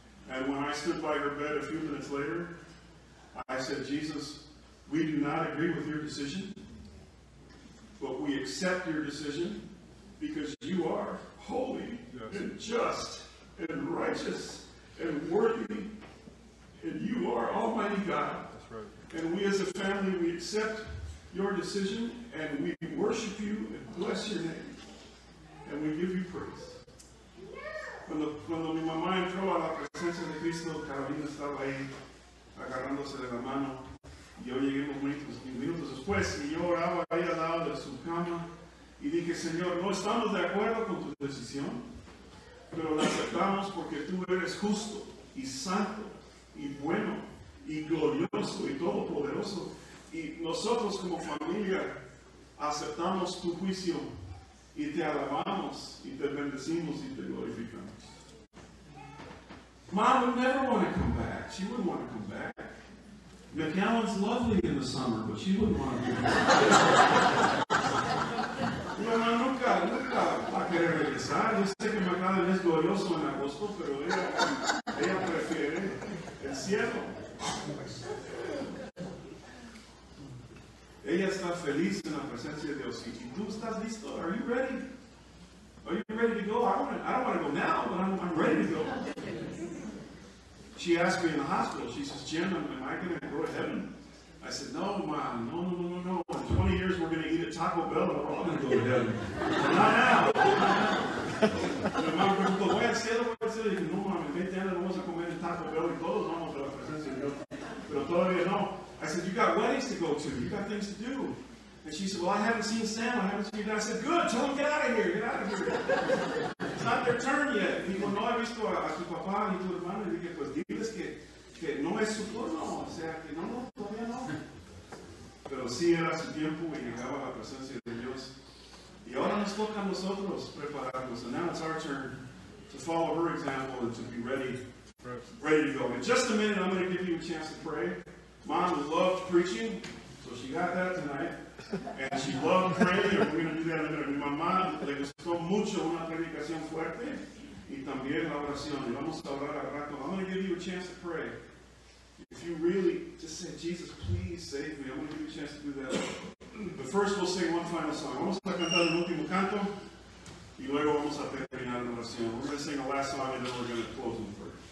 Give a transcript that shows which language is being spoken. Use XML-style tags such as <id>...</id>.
<en>And when I stood by her bed a few minutes later, I said, Jesus, we do not agree with your decision, but we accept your decision because you are holy, yes, and just and righteous and worthy, and you are Almighty God. That's right. And we as a family, we accept your decision and we worship you and bless your name and we give you praise.</en> <es>Cuando mi mamá entró a la presencia de Cristo, Carolina estaba ahí agarrándose de la mano. Yo llegué unos minutos después y yo oraba ahí al lado de su cama y dije, Señor, no estamos de acuerdo con tu decisión, pero la aceptamos porque tú eres justo y santo y bueno y glorioso y todopoderoso. Y nosotros como familia aceptamos tu juicio y te alabamos y te bendecimos y te glorificamos.</es> <en>Mom would never want to come back. She wouldn't want to come back. McAllen's lovely in the summer, but she wouldn't want to come back.</en> <es>Mamá nunca, nunca va a querer regresar. Yo sé que McAllen es glorioso en agosto, pero ella prefiere el cielo. Ella está feliz en la presencia de Dios. ¿Y tú estás listo?</es> <en>Are you ready? Are you ready to go? I don't want to go now, but I'm ready to go. She asked me in the hospital, she says, Jim, am I going to go to heaven? I said, no, Mom, no. In 20 years, we're going to eat at Taco Bell and we're all going to go to heaven. Not now. And my mom goes,</en> <es>voy al cielo, voy al cielo. Y dije, no, Mom, en 20 años vamos a comer en Taco Bell y todos vamos a la presencia de Dios. Pero todavía no.</es> <en>I said, you got weddings to go to. You got things to do. And she said, well, I haven't seen Sam. I haven't seen you. And I said, good, tell him, get out of here. Get out of here. It's not their turn yet.</en> <es>Y dijo, no he visto a su papá ni tu hermano. Y dije, pues diles que no es su turno. O sea, que no, todavía no. Pero sí era su tiempo y llegaba la presencia de Dios. Y ahora nos toca a nosotros prepararnos.</es> <en>And now it's our turn to follow her example and to be ready to go. In just a minute, I'm going to give you a chance to pray. Mom loved preaching, so she got that tonight. And she loved prayer. We're going to do that in a minute.</en> <es>Mi mamá le gustó mucho una predicación fuerte y también la oración. Y vamos a orar al rato.</es> <en>I'm going to give you a chance to pray. If you really just say, Jesus, please save me. I'm going to give you a chance to do that. But first, we'll sing one final song.</en> <es>Vamos a cantar el último canto y luego vamos a terminar la oración.</es> <en>We're going to sing the last song and then we're going to close in prayer.</en>